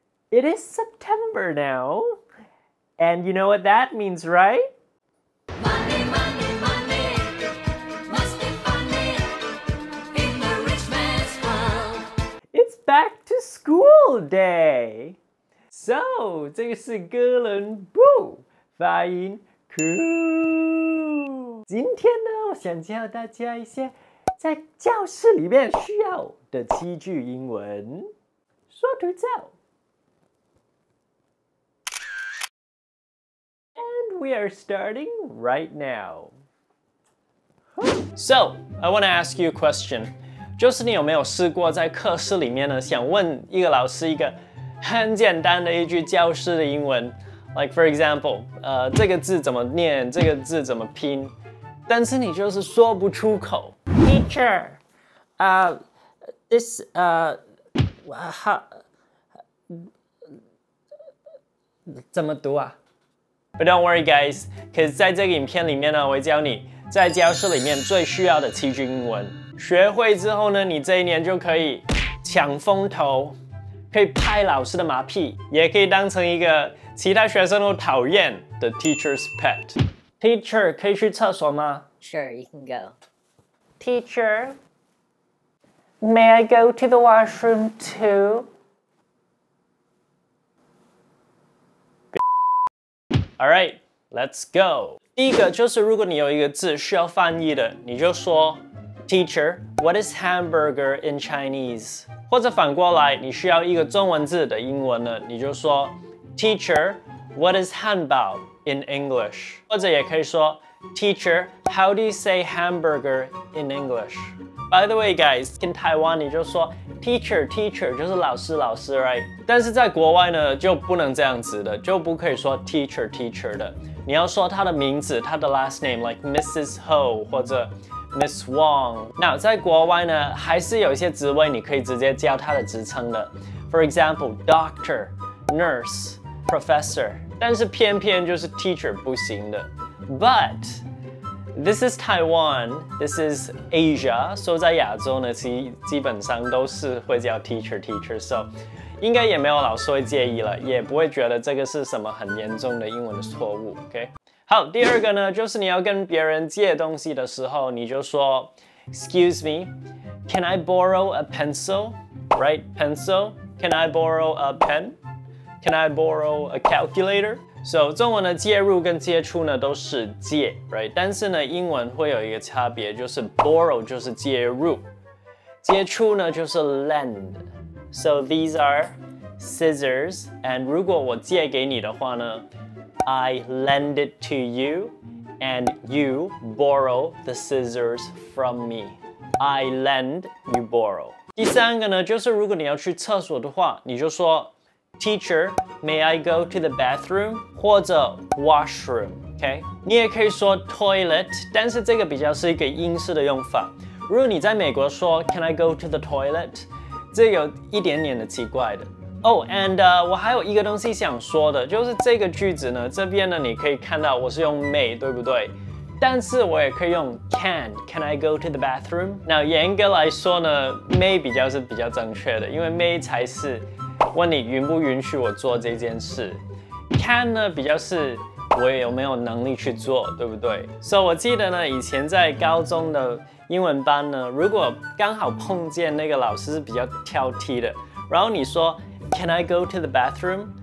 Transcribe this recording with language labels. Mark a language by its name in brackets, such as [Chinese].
[English] It is September now, and you know what that means, right? Money, money, money, must be funny in the rich man's world. It's back to school day. [Chinese] So, 这个是哥伦布发音 cool. 今天呢，我想教大家一些在教室里面需要的七句英文。说图照。 [English] And we are starting right now. So, I want to ask you a question. [Chinese] 就是你有没有试过在课室里面呢，想问一个老师一个很简单的一句教室的英文。 [English] Like for example, [Chinese] 这个字怎么念，这个字怎么拼。但是你就是说不出口。 [English] Teacher, this, how, [Chinese] 怎么读啊? [English] But don't worry guys, because [Chinese] 在这个影片里面呢，我会教你在教室里面最需要的七句英文。学会之后呢，你这一年就可以抢风头，可以拍老师的马屁，也可以当成一个其他学生都讨厌的 [English] teacher's pet. [Chinese] Teacher, 可以去厕所吗? [English] Sure, you can go. Teacher, may I go to the washroom too? All right, let's go. [Chinese] 第一个就是如果你有一个字需要翻译的，你就说 [English] Teacher, what is hamburger in Chinese? [Chinese] 或者反过来，你需要一个中文字的英文呢，你就说 [English] Teacher, what is [Chinese] 汉堡 [English] in English? [Chinese] 或者也可以说 [English] Teacher, how do you say hamburger in English? By the way, guys, in Taiwan, [Chinese] 你就说 [English] teacher, teacher, [Chinese] 就是老师老师 [English] right? [Chinese] 但是在国外呢，就不能这样子的，就不可以说 teacher, teacher 的。你要说他的名字，他的 [English] last name, like Mrs. Ho, [Chinese] 或者 [English] Miss Wong. Now, [Chinese] 在国外呢，还是有一些职位你可以直接叫他的职称的。 [English] For example, doctor, nurse, professor. [Chinese] 但是偏偏就是 teacher 不行的。 [English] But this is Taiwan, this is Asia, so [Chinese] 在亚洲呢，其基本上都是会叫 teacher teacher, so 应该也没有老师会介意了，也不会觉得这个是什么很严重的英文错误 , [English] OK? [Chinese] 好，第二个呢，就是你要跟别人借东西的时候，你就说 [English] Excuse me, can I borrow a pencil? Right, pencil? Can I borrow a pen? Can I borrow a calculator? [Chinese] So, 中文的介入跟接触呢都是借 [English] right? [Chinese] 但是呢英文会有一个差别就是 borrow 就是介入接触呢就是 lend [English] So these are scissors And [Chinese] 如果我借给你的话呢 [English] I lend it to you And you borrow [Chinese] the scissors from me I lend, you borrow 第三个呢就是如果你要去厕所的话你就说 [English] Teacher, may I go to the bathroom? [Chinese] 或者 [English] washroom, okay? [Chinese] 你也可以说 toilet, 但是这个比较是一个英式的用法。 [English] 如果你在美国说 can I go to the toilet? [Chinese] 这有一点点的奇怪的。 [English] Oh, and [Chinese] 我还有一个东西想说的，就是这个句子呢，这边呢你可以看到我是用 may, 对不对？但是我也可以用 [English] can I go to the bathroom? [Chinese] Now, 严格来说呢 ,may 比较是比较正确的，因为 may 才是问你允不允许我做这件事 ，can 呢比较是我有没有能力去做，对不对 ？So 我记得呢，以前在高中的英文班呢，如果刚好碰见那个老师是比较挑剔的，然后你说 [English] Can I go to the bathroom？